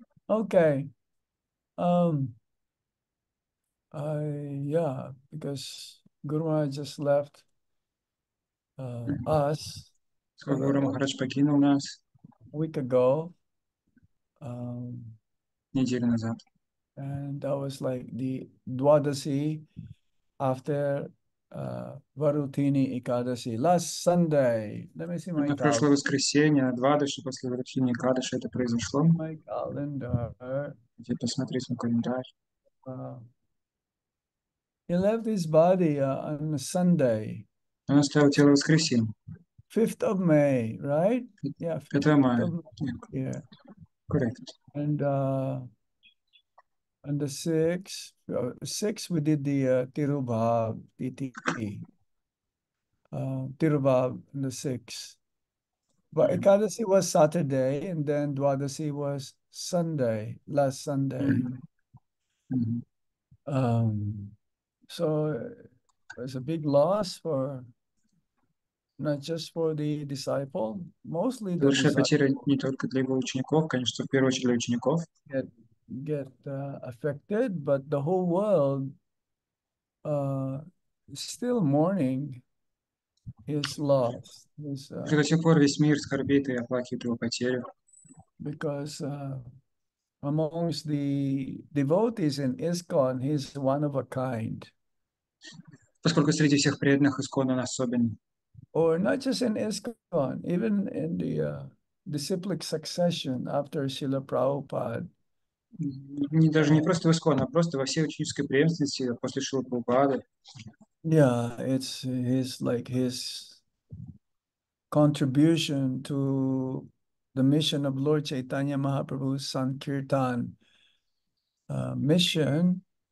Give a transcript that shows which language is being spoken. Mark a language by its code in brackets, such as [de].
[en] Okay. Yeah, because Guru Maharaj just left us. [ru] So Guru Maharaj покинул нас. [en] A week ago. [ru] Неделю назад. [en] And that was like the Dwadasi after Varutini Ikadasi. Last Sunday. Let me see my calendar. [ru] Это прошлое воскресенье, Двадаши после Варутини Икадаши это произошло. [en] My calendar. [ru] Где посмотреть свой календарь? [en] He left his body on a Sunday. [ru] Он оставил тело в воскресенье. [en] 5th of May, right? Yeah, 5th of May. Yeah. Yeah. Correct. And on the 6th, we did the Tirubhav, TTT. Tirubhav on the 6th. But Ekadasi was Saturday, and then Dwadasi was Sunday, last Sunday. So it was a big loss for not just for the disciple, mostly the [ru] большая потеря не только для его учеников, конечно, в первую очередь для учеников. [en] Get affected, but the whole world still mourning his loss. [ru] До сих пор весь мир скорбит и оплакивает его потерю. [en] Because amongst the devotees in ISKCON, he's one of a kind. [ru] Поскольку среди всех преданных ИСККОН он особенный. [en] Or not just in ISKCON, even in the disciplic succession after Srila Prabhupada. [ru] Даже не просто в ИСККОН, а просто во всей ученической преемственности после Шрила Прабхупады. [en] Yeah, it's his like his contribution to the mission of Lord Chaitanya Mahaprabhu's Sankirtan mission.